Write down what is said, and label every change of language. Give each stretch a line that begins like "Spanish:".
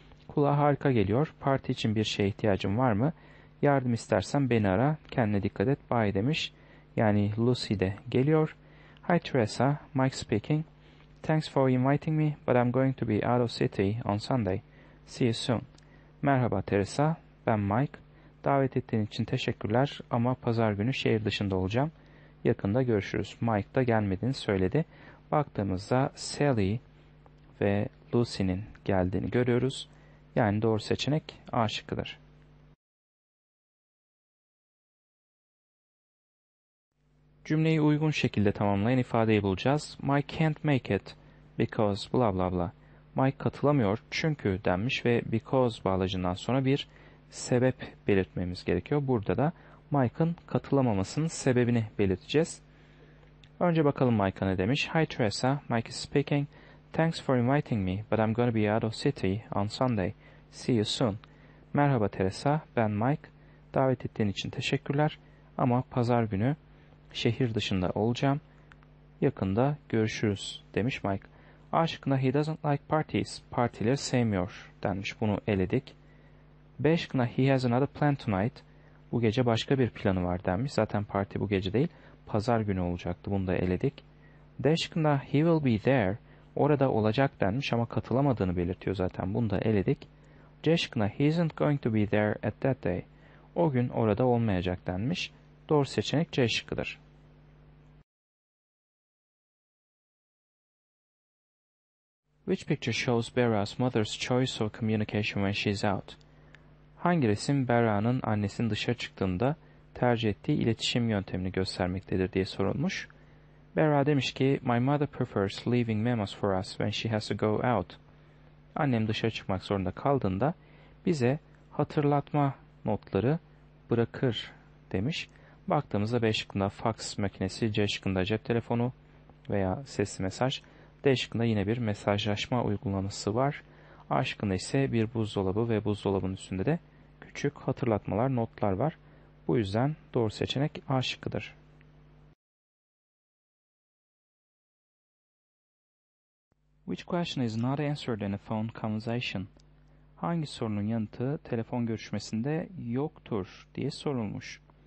Turkish: Kulağa harika geliyor. Parti için bir şeye ihtiyacın var mı? Yardım istersen beni ara. Kendine dikkat et. Bye demiş. Yani Lucy de geliyor.
English: Hi Teresa, Mike speaking. Thanks for inviting me, but I'm going to be out of city on Sunday. See you soon.
Turkish: Merhaba Teresa, ben Mike. Davet ettiğin için teşekkürler ama pazar günü şehir dışında olacağım. Yakında görüşürüz. Mike da gelmediğini söyledi. Baktığımızda Sally ve Lucy'nin geldiğini görüyoruz. Yani doğru seçenek A şıkkıdır. Cümleyi uygun şekilde tamamlayan ifadeyi bulacağız.
English: Mike can't make it because blah blah blah.
Turkish: Mike katılamıyor çünkü denmiş ve because bağlacından sonra bir sebep belirtmemiz gerekiyor. Burada da Mike'ın katılamamasının sebebini belirteceğiz. Önce bakalım Mike'a ne demiş.
English: Hi Teresa, Mike is speaking. Thanks for inviting me, but I'm going to be out of city on Sunday.
Turkish: See you soon. Merhaba Teresa, ben Mike. Davet ettiğin için teşekkürler ama pazar günü şehir dışında olacağım. Yakında görüşürüz demiş Mike. A şıkkında
English: he doesn't like parties.
Turkish: Partileri sevmiyor denmiş. Bunu eledik. B şıkkında
English: he has another plan tonight.
Turkish: Bu gece başka bir planı var denmiş. Zaten parti bu gece değil. Pazar günü olacaktı. Bunu da eledik. D şıkkında
English: he will be there.
Turkish: Orada olacak denmiş ama katılamadığını belirtiyor zaten. Bunu da eledik. C şıkkında
English: he isn't going to be there at that day.
Turkish: O gün orada olmayacak denmiş. Doğru seçenek C şıkkıdır.
English: Which picture shows Bera's mother's choice of communication when she's out?
Turkish: Hangi resim Bera'nın annesinin dışarı çıktığında tercih ettiği iletişim yöntemini göstermektedir diye sorulmuş. Bera demiş ki,
English: My mother prefers leaving memos for us when she has to go out.
Turkish: Annem dışarı çıkmak zorunda kaldığında bize hatırlatma notları bırakır demiş. Baktığımızda B şıkkında fax makinesi, C şıkkında cep telefonu veya sesli mesaj, D şıkkında yine bir mesajlaşma uygulaması var. A şıkkında ise bir buzdolabı ve buzdolabının üstünde de küçük hatırlatmalar, notlar var. Bu yüzden doğru seçenek A şıkkıdır.
English: Which question is not answered in a phone conversation?
Turkish: Hangi sorunun yanıtı telefon görüşmesinde yoktur diye sorulmuş.